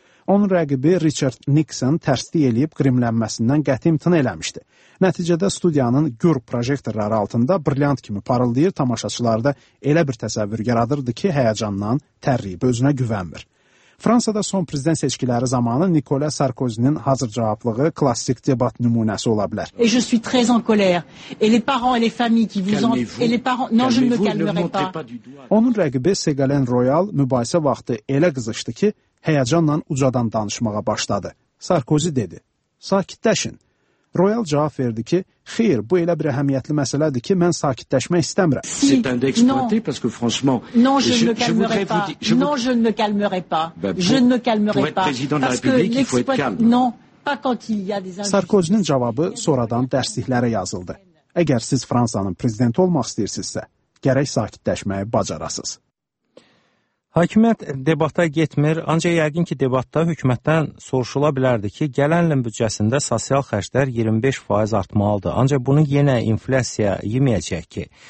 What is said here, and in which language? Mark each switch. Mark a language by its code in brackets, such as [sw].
[az] Onun rəqibi Richard Nixon tərsdi eləyib qrimlənməsindən qəti imtina eləmişdi. Nəticədə studiyanın gür projektorları altında brilliant kimi parıldayır, tamaşaçılarda elə bir təsəvvür yaradırdı ki, həyəcandan tərriyib özünə güvənmir. Fransada son prezident seçkiləri zamanı Nicolas Sarkozy'nin hazır cavablığı klassik debat nümunəsi ola bilər. [fr] Je suis très en colère et les parents et les familles qui vous ont et les parents non je ne me calmerai pas. [az] Onun rəqibi Ségolène Royal mübahisə vaxtı elə qızışdı ki, həyəcanla ucadan danışmağa başladı. Sarkozy dedi, sakitləşin. Royal cavab verdi ki, xeyr, bu elə bir əhəmiyyətli məsələdir ki, mən sakitləşmək istəmirəm. [fr] C'est un exploité parce que franchement, non, je ne me calmerai pas. Non, je ne me calmerai pas. Je ne me calmerai pas. Pour être président de la République, il faut être calme. Non, pas quand il y a des injustices. [az] Sarkozy'nin cavabı sonradan dərsliklərə yazıldı. Əgər siz Fransanın prezidenti olmaq istəyirsinizsə, gərək sakitləşməyi bacarasınız. Hakimiyyət debata getmir, ancaq yəqin ki, debatda hökumətdən soruşula bilərdi ki, gələn ilin büdcəsində sosial xərclər 25% artmalıdır, ancaq bunu yenə inflyasiya yeməyəcək ki.